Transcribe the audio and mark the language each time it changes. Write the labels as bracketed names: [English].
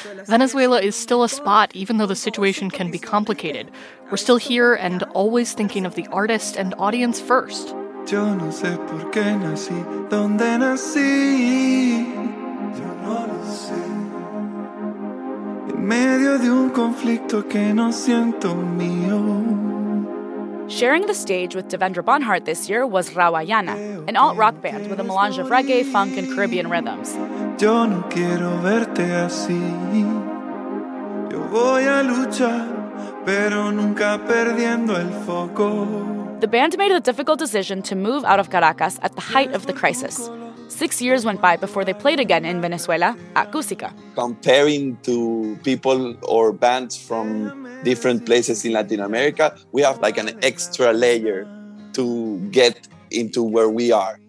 [English] Venezuela is still a spot, even though the situation can be complicated. We're still here and always thinking of the artist and audience first. [Spanish] Yo no sé por qué nací, donde nací. Yo no lo sé. En medio de un conflicto que no siento mío. [English] Sharing the stage with Devendra Bonhart this year was Rawayana, an alt-rock band with a melange of reggae, funk, and Caribbean rhythms. [Spanish] Yo no quiero verte así. Yo voy a luchar, pero nunca perdiendo el foco. [English] The band made the difficult decision to move out of Caracas at the height of the crisis. 6 years went by before they played again in Venezuela at Cusica. Comparing to people or bands from different places in Latin America, we have like an extra layer to get into where we are.